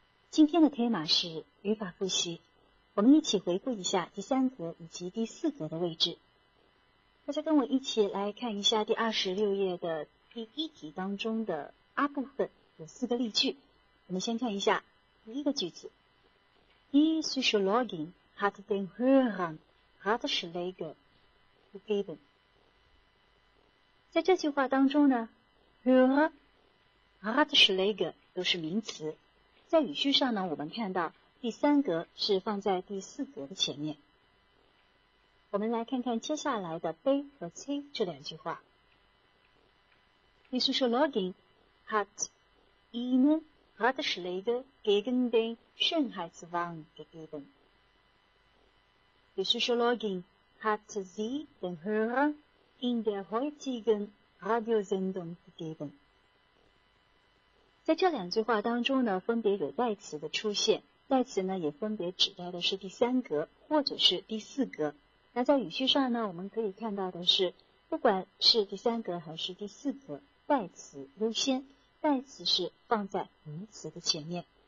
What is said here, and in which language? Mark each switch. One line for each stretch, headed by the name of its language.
Chinese: 今天的 tema 是语法复习，我们一起回顾一下第三格以及第四格的位置。大家跟我一起来看一下第26页的第一题当中的 A 部分，有四个例句。我们先看一下第一个句子，
German: Die Psychologin hat den Hörern Ratschläge gegeben。
Chinese: 在这句话当中呢， Hörer Ratschläge 都是名词，在语序上呢，我们看到第三格是放在第四格的前面。我们来看看接下来的 B 和 C 这两句话。
German: Die Psychologin hat ihnenRatschläge gegen den Schönheitswahn gegeben. Die Psychologin hat sie den Hörern in der heutigen Radiosendung gegeben.
Chinese: 在这两句话当中呢，分别有代词的出现，代词呢也分别指代的是第三格或者是第四格。那在语序上呢，我们可以看到的是，不管是第三格还是第四格，代词优先。代词是放在名词的前面。